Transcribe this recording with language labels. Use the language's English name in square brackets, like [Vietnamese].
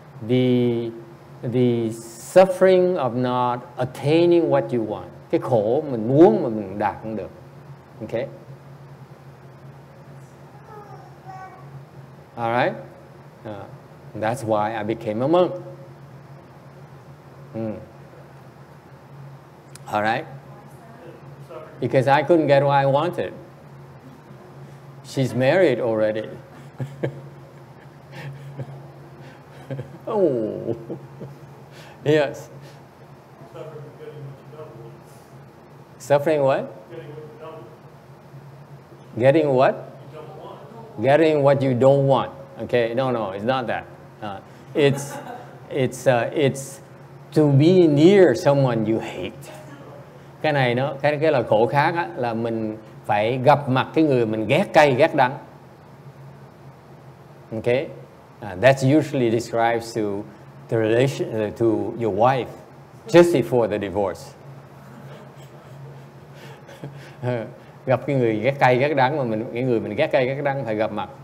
[English] The suffering of not attaining what you want. [Vietnamese] Cái khổ mình muốn mà mình đạt không được. [English] Okay? All right? That's why I became a monk. All right? Because I couldn't get what I wanted. She's married already. Oh. Yes. Suffering what? Getting what? Getting what you don't want. Okay, no, it's not that. It's to be near someone you hate. [Vietnamese] Cái này nó cái là khổ khác á, là mình phải gặp mặt cái người mình ghét cay ghét đắng. [English] Okay, that usually describes to the relation to your wife just before the divorce. [Vietnamese] Gặp cái người ghét cay ghét đắng mà mình cái người mình ghét cay ghét đắng phải gặp mặt.